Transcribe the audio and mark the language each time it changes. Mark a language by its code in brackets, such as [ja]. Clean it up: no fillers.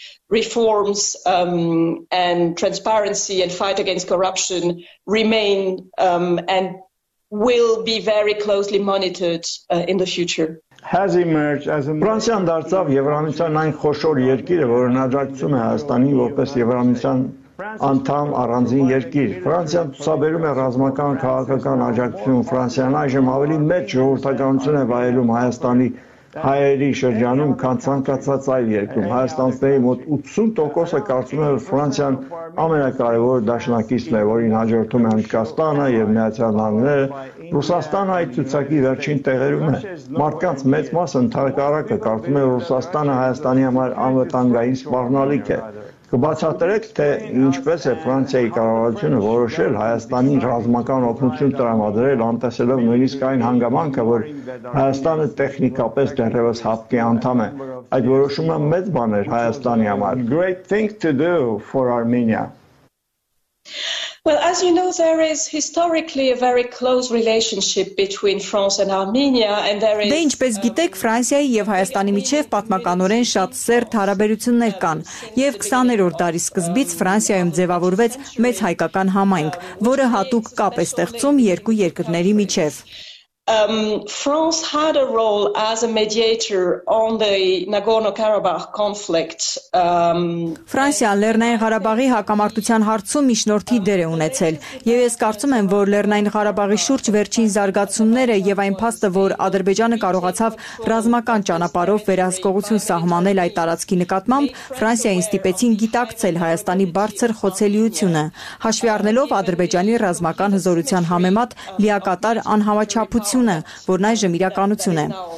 [en] Reforms and transparency and fight against corruption remain and will be very closely monitored in the future. Has emerged as a [hy] Ֆրանսիան դարձավ Եվրամիության այն խոշոր երկիրը, որը նաճակցում է Հայաստանին որպես Եվրամիության անդամ առանձին երկիր։ Ֆրանսիան ցուցաբերում է ռազմական քաղաքական աջակցություն, Ֆրանսիան այժմ ավելի մեծ ժողովրդականություն է վայելում Հայաստանի հայերի շրջանում, քան ցանկացած այլ երկրում։ Հայաստանի մոտ 80%-ը կարծում է, որ Ֆրանսիան ամենակարևոր դաշնակիցն է, որին հաջորդում է Հնդկաստանը եւ Միացյալ Նահանգները։ Ռուսաստանը այդ ցուցակի վերջին տեղերում է։ Մարդկանց մեծ մասը ընդհանրապես կարծում է, որ Ռուսաստանը Հայաստանի համար անվտանգային սպառնալիք է։ Կբացատրեք, թե ինչպես է Ֆրանսիայի կառավարությունը որոշել Հայաստանին ռազմական օգնություն տրամադրել, անտեսելով նույնիսկ այն հանգամանքը, որ Հայաստանը տեխնիկապես դեռևս հապկի անդամ է։ Այդ որոշումը մեծ բան էր Հայաստանի համար. [en] Great thing to do for Armenia. Well, as you know, there is historically a very close relationship between France and Armenia, and there is. [hy] Դե ինչպես գիտեք, Ֆրանսիայի եւ Հայաստանի միջև պատմականորեն շատ սերտ հարաբերություններ կան, եւ 20-րդ դարի սկզբից Ֆրանսիայում ձևավորվեց մեծ հայկական համայնք, որը հատուկ կապ է ստեղծում երկու երկրների միջև. [en] France had a role as a mediator on the Nagorno-Karabakh conflict. [hy] Ֆրանսիան Լեռնային Ղարաբաղի հակամարտության հարցում միջնորդի դեր է ունեցել, եւ ես կարծում եմ, որ Լեռնային Ղարաբաղի շուրջ վերջին զարգացումները եւ այն փաստը, որ Ադրբեջանը կարողացավ ռազմական ճանապարհով վերահսկողություն սահմանել այդ տարածքի նկատմամբ, Ֆրանսիային ստիպեցին գիտակցել Հայաստանի բարձր խոցելիությունը, հաշվի առնելով Ադրբեջանի ռազմական հզորության համեմատ լիակատար անհավաճապ ցունը, որն այժմ իրականություն է։